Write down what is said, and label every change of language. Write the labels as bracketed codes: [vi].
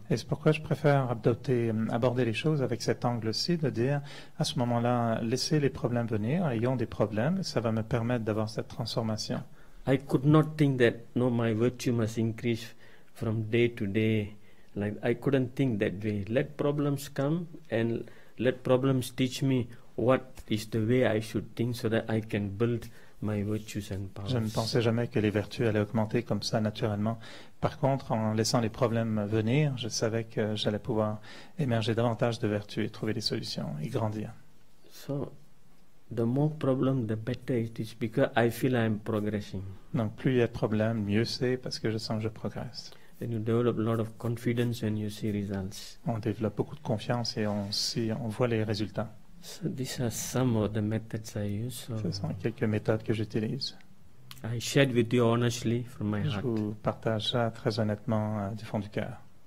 [fr] Et c'est pourquoi je préfère aborder les choses avec cet angle-ci, de dire, à ce moment-là, laissez les problèmes venir, ayons des problèmes, ça va me permettre d'avoir cette transformation. [en] I could not think that, no, my virtue must increase from day to day. Like, I couldn't think that way. Let problems come and let problems teach me what is the way I should think so that I can build my virtues and powers. [fr] Je ne pensais jamais que les vertus allaient augmenter comme ça naturellement. Par contre, en laissant les problèmes venir, je savais que j'allais pouvoir émerger davantage de vertus et trouver des solutions et grandir. [en] So, the more problems, the better it is because I feel I'm progressing. [fr] Donc, plus il y a de problèmes, mieux c'est parce que je sens que je progresse. [en] And you develop a lot of confidence when you see results. [fr] On développe beaucoup de confiance et on voit les résultats. [en] So these are some of the methods I use. So [fr] ce sont quelques méthodes que j'utilise. [en] I shared with you honestly from my heart. [fr] Je vous partage ça très honnêtement du fond du cœur.